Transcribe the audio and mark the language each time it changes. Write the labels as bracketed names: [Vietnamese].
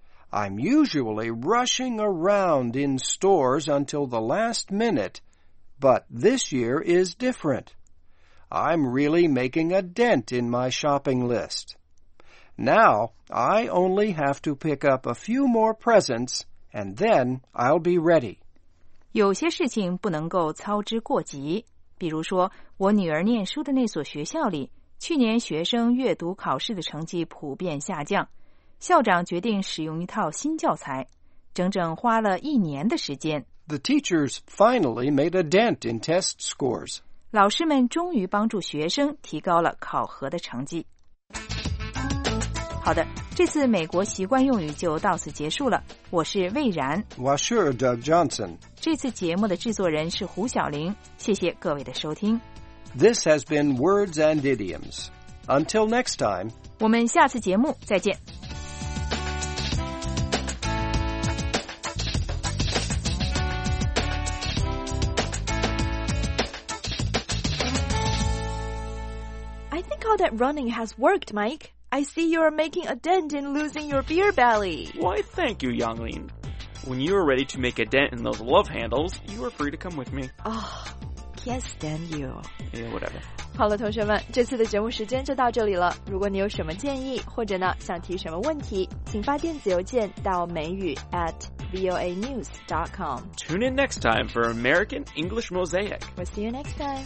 [English] I'm usually rushing around in stores until the last minute. But this year is different. I'm really making a dent in my shopping list. Now, I only have to pick up a few more presents, and then I'll be ready. [Chinese] 有些事情不能够操之过急。比如说，我女儿念书的那所学校里，去年学生阅读考试的成绩普遍下降。校长决定使用一套新教材，整整花了一年的时间。 [English] The teachers finally made a dent in test scores. [Chinese] 老师们终于帮助学生提高了考核的成绩。好的，这次美国习惯用语就到此结束了。我是魏然。 [English] Washer Doug Johnson. [Chinese] 这次节目的制作人是胡晓玲。谢谢各位的收听。 [English] This has been Words and Idioms. Until next time. [Chinese] 我们下次节目再见。 [English] That running has worked, Mike. I see you're making a dent in losing your beer belly. Why, thank you, Yanglin. When you are ready to make a dent in those love handles, you are free to come with me. Oh, can't stand you. Yeah, whatever. [Chinese] 好了，同学们，这次的节目时间就到这里了。如果你有什么建议，或者呢想提什么问题，请发电子邮件到美语@voanews.com. [English] Tune in next time for American English Mosaic. We'll see you next time.